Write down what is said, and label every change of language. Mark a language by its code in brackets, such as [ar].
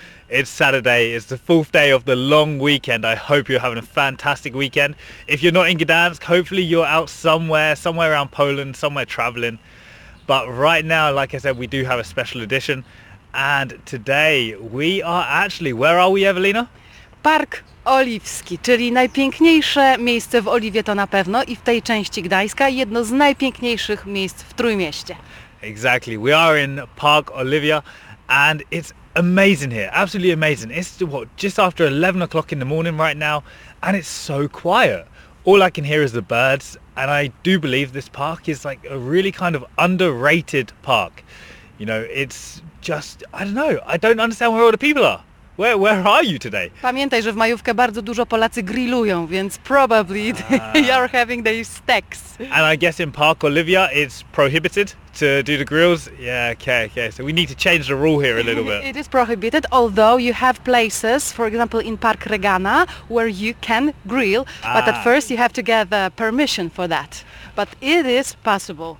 [en] It's Saturday, it's the fourth day of the long weekend. I hope you're having a fantastic weekend. If you're not in Gdańsk, hopefully you're out somewhere around Poland, somewhere traveling. But right now, like I said, we do have a special edition. And today we are actually, where are we, Ewelina? [pl] Park Oliwski, czyli najpiękniejsze miejsce w Oliwie to na pewno i w tej części Gdańska jedno z najpiękniejszych miejsc w Trójmieście. [en] Exactly, we are in Park Oliwia and it's amazing here, absolutely amazing. It's what, just after 11 o'clock in the morning right now and it's so quiet. All I can hear is the birds and I do believe this park is like a really kind of underrated park. You know, it's just, I don't know, I don't understand where all the people are. Where are you today? [pl] Pamiętaj, że w majówkę bardzo dużo Polacy grillują, więc [en] probably you're having the steaks. And I guess in Park Oliwia it's prohibited to do the grills. Yeah, okay, okay. So we need to change the rule here a little bit. It is prohibited, although you have places, for example, in Park Regana, where you can grill. But at first you have to get the permission for that. But it is possible.